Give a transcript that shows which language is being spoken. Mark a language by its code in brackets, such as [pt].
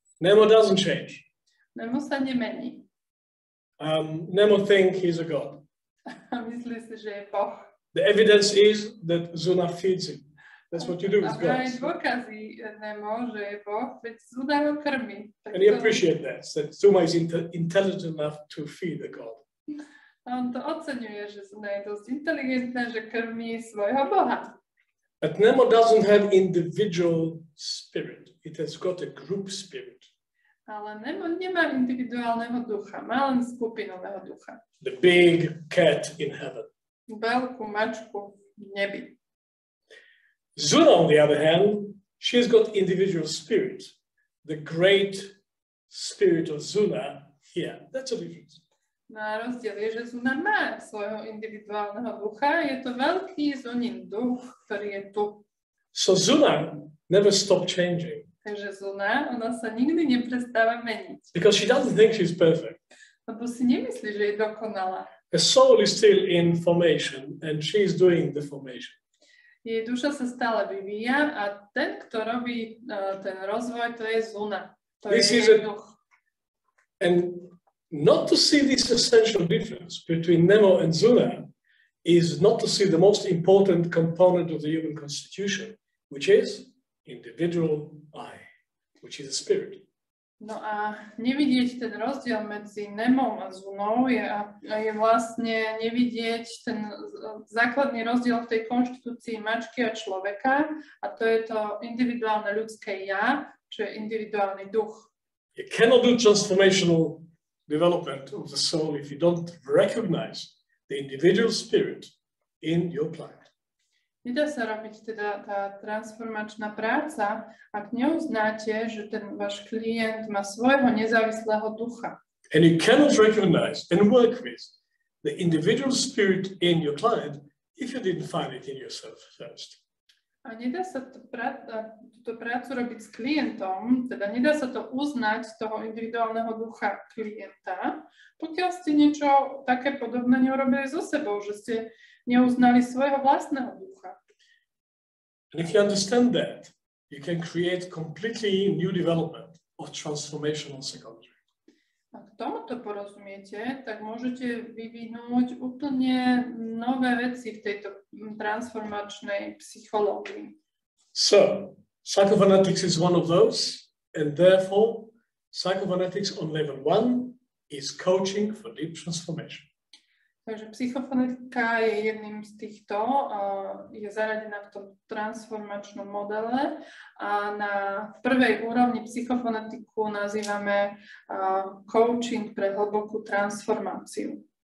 [en] Nemo doesn't change. [sk] Nemo sa nemení. [en] Nemo think he's a god. [sk] A myslí si, že je boh. [en] The evidence is that Zuna feeds him. That's what you do with gods. [sk] A aj dôkazy Nemo, že je boh, veď Zuna ho krmi. [en] And he appreciate that, that Zuma is intelligent enough to feed a god. [sk] A on to oceňuje, že Zuna je dosť inteligentná, že krmi svojho boha. [en] But Nemo doesn't have individual spirit. It has got a group spirit. [sk] Ale Nemo nemá individuálneho ducha. Má len skupinového ducha. [en] The big cat in heaven. [sk] Veľkú mačku v nebi. [en] Zuna, on the other hand, she has got individual spirit. The great spirit of Zuna here. That's a difference. [sk] Na rozdiel je, že Zuna má svojho individuálneho ducha. Je to veľký Zunin duch, ktorý je tu. [en] So Zuna never stop changing. [sk] Takže Zuna, ona sa nikdy neprestáva meniť. [en] Because she doesn't think she's perfect. [sk] Lebo si nemyslí, že je dokonalá. [en] A soul is still in formation and she is doing the formation. [sk] Jej duša sa stále vyvíja a ten, kto robí ten rozvoj, to je Zuna. To [en] this [sk] je [en] is [sk] jej duch. [en] And not to see this essential difference between Nemo and Zuna is not to see the most important component of the human constitution, which is individual I, which is a spirit. [sk] No a nevidieť ten rozdiel medzi Nemom a Zunou je vlastne nevidieť ten základný rozdiel v tej konštitúcii mačky a človeka, a to je to individuálne ľudské ja, čo je individuálny duch. [en] You cannot do transformational development of the soul if you don't recognize the individual spirit in your plant. [sk] Nedá sa robiť teda tá transformačná práca, ak neuznáte, že ten váš klient má svojho nezávislého ducha. [en] And you cannot recognize and work with the individual spirit in your client if you didn't find it in yourself first. [sk] A nedá sa túto prácu robiť s klientom, teda nedá sa to uznať toho individuálneho ducha klienta, pokiaľ ste niečo také podobné neurobili so sebou, že ste neuznali svojho vlastného ducha. [en] And if you understand that, you can create completely new development of transformational psychology. [sk] A k tomuto porozumiete, tak môžete vyvinúť úplne nové veci v tejto transformačnej psychológii. [en] So, psychophonetics is one of those, and therefore, psychophonetics on level 1 is coaching for deep transformation. [sk] Takže psychophonetika je jedným z týchto, je zaradená v tom transformačnom modele a na prvej úrovni psychophonetiku nazývame coaching pre hlbokú transformáciu.